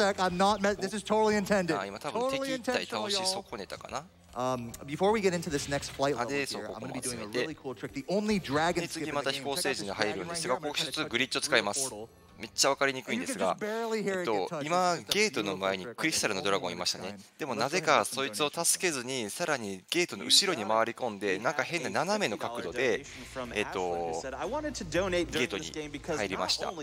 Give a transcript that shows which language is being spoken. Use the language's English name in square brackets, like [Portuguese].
[Japanese] 今多分敵一体倒し損ねたかな。 [English] Before we get into this next flight level, here, I'm going to be doing a really cool trick. The only dragon skip in the game. [Japanese] 次また飛行ステージに入るんですが、ここ一つグリッチを使います。めっちゃ分かりにくいんですが、今ゲートの前にクリスタルのドラゴンいましたね。でもなぜかそいつを助けずに、さらにゲートの後ろに回り込んで、なんか変な斜めの角度で、ゲートに入りました。